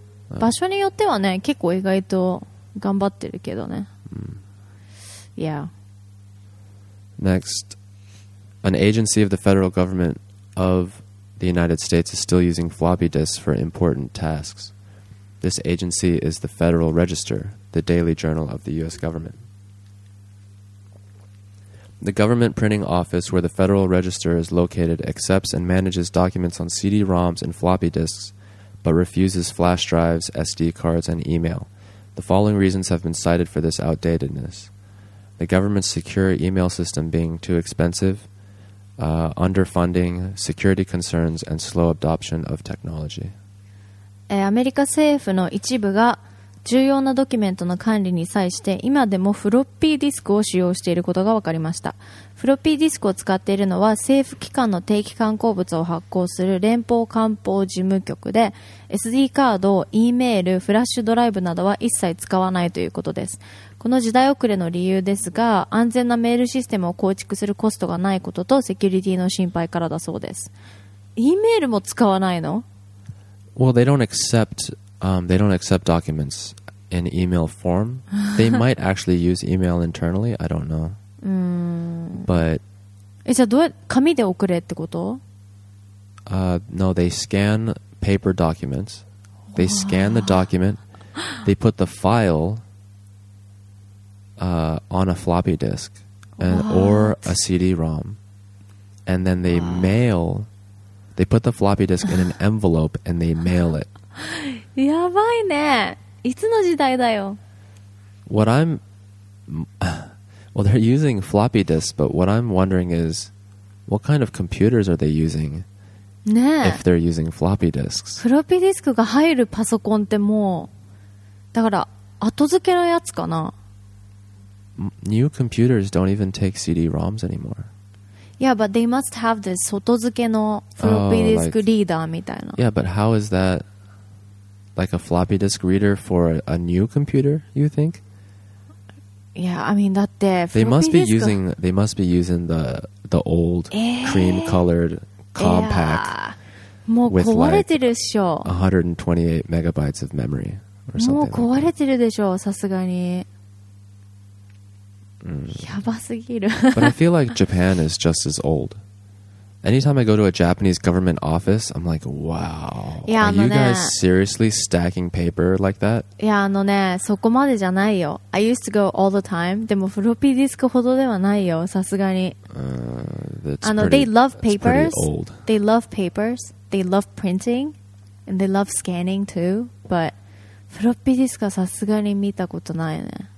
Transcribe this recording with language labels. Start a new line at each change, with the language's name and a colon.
Japanese: 場所によってはね、結構意外と頑張ってるけどね。
English: Yeah. Next, an agency of the federal government of the United States is still using floppy disks for important tasks. This agency is the Federal Register, the Daily Journal of the U.S. government. The government printing office where the Federal Register is located accepts and manages documents on CD-ROMs and floppy disks, but refuses flash drives, SD cards, and email. The following reasons have been cited for this outdatedness. The government's secure email system being too expensive, underfunding, security concerns, and slow adoption of technology.
Japanese: アメリカ政府の一部が重要なドキュメントの管理に際して今でもフロッピーディスクを使用していることが分かりました。フロッピーディスクを使っているのは政府機関の定期刊行物を発行する連邦官報事務局で、 SD カード、E メール、フラッシュドライブなどは一切使わないということです。この時代遅れの理由ですが、安全なメールシステムを構築するコストがないこととセキュリティの心配からだそうです。 E メールも使わないの？
English: Well, they don't acceptthey don't accept documents in email form. They might actually use email internally. I don't know. But...
Japanese: じゃあどうやって紙で送れってこと？
English: No, they scan paper documents. They scan the document. They put the file on a floppy disk and, or a CD-ROM. And then they mail... They put the floppy disk in an envelope and they mail it.
Japanese: やばいね。いつの時代だよ。
English: What I'm... Well, they're using floppy disks, but what I'm wondering is, what kind of computers are they using?
Japanese: ね。
English: If they're using floppy disks.
Japanese: フロッピーディスクが入るパソコンってもう、だから後付けのやつかな。
English: New computers don't even take CD-ROMs anymore. Yeah, but they must have this 外付けの floppy disk reader みたいな。 Yeah, but how is that like a floppy disk reader for a new computer, you think? Yeah, I mean, だって floppy disk... They must be using the old cream-colored compact with like 128 megabytes of memory or something.
Japanese: もう壊れてるでしょ、さすがに。やばすぎる。
English: But I feel like Japan is just as old. Anytime I go to a Japanese government office, I'm like, wow. Yeah, are you guys seriously stacking paper like that? Yeah,
Japanese: あのね、そこまでじゃないよ。
English: I used to go all the time.
Japanese: でもフロッピーディスクほどではないよ、さすがに。
English: They love papers. They love papers. They love printing. And they love scanning too.
Japanese: But フロッピーディスクはさすがに見たことないね。